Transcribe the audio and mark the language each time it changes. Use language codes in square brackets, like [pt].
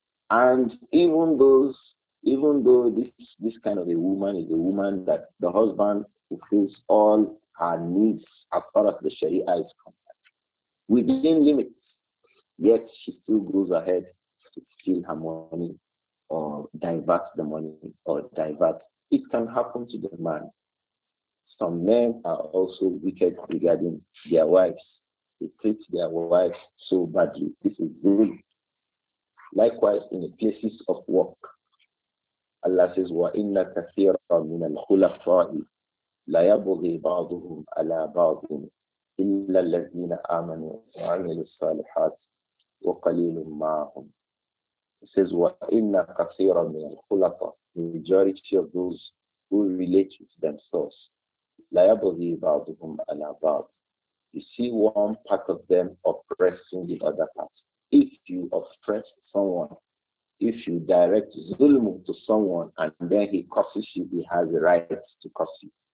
[en] And even though this kind of a woman is a woman that the husband fulfills all her needs as far as the Sharia is concerned, within limits, yet she still goes ahead to steal her money or divert the money or divert. It can happen to the man. Some men are also wicked regarding their wives. They treat their wives so badly. This is good. Likewise, in the places of work, Allah says, [ar] وَإِنَّ كَثِيرًا مِنَ الْخُلَفَاءِ لَيَبْغِي بَعْضُهُمْ عَلَى بَعْضٍ إِلَّا الَّذِينَ آمَنُوا وَعَمِلُوا الصَّالِحَاتِ وَقَلِيلٌ مَعَهُمْ. [en] It says, [ar] وَإِنَّ كَثِيرًا مِنَ الْخُلَفَاءِ [en] majority of those who relate to themselves, [ar] لَيَبْغِي بَعْضُهُمْ عَلَى بَعْضٍ. [en] You see one part of them oppressing the other part. If you oppress someone, if you direct zulm to someone and then he curses you, he has a right to curse you.